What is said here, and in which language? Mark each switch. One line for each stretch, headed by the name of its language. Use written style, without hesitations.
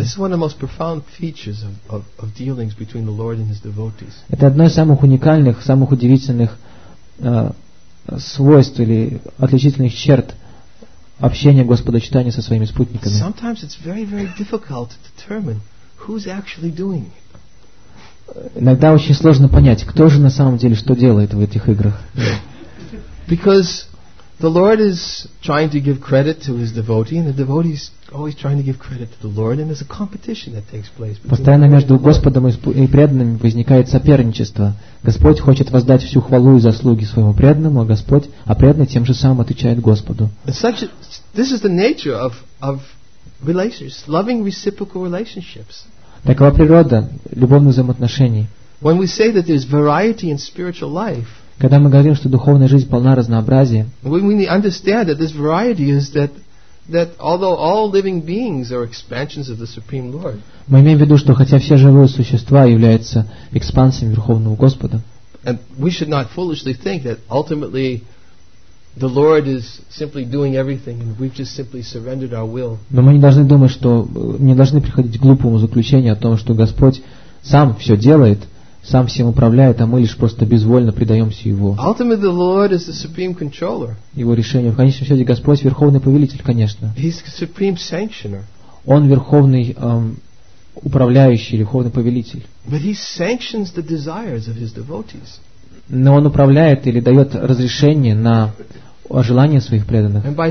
Russian: Это одно из самых уникальных, самых удивительных свойств или отличительных черт общения Господа Чайтаньи со своими спутниками.
English: Sometimes it's very, very difficult to determine who's actually doing it.
Russian: Иногда очень сложно понять, кто же на самом деле что делает в этих играх.
English: Because the Lord is trying to give credit to his devotee, and the devotee is always trying to give credit to the Lord, and there's a competition that takes place.
Russian: Постоянно между Господом и преданными возникает соперничество. Господь хочет воздать всю хвалу и заслуги своему преданному, а Господь, а преданный тем же самым отвечает Господу.
English: This is the nature of relationships, loving reciprocal relationships.
Russian: Такова природа любовных взаимоотношений.
English: When we say that there's variety in spiritual life,
Russian: когда мы говорим, что духовная жизнь полна разнообразия,
English: we understand that this variety is that although all living beings are expansions of the Supreme Lord,
Russian: мы имеем в виду, что хотя все живые существа являются экспансиями Верховного Господа,
English: and we should not foolishly think that ultimately the Lord is simply doing everything, and we've just simply surrendered our will.
Russian: Но мы не должны думать, что не должны приходить к глупому заключению о том, что Господь сам все делает, сам всем управляет, а мы лишь просто безвольно предаемся Его.
English: Ultimately, the Lord is the supreme controller.
Russian: Его решение, в конечном счете, Господь верховный повелитель, конечно.
English: He's the supreme sanctioner.
Russian: Он верховный управляющий, верховный повелитель.
English: But he sanctions the desires of his devotees.
Russian: Но он управляет или дает разрешение на желания своих преданных.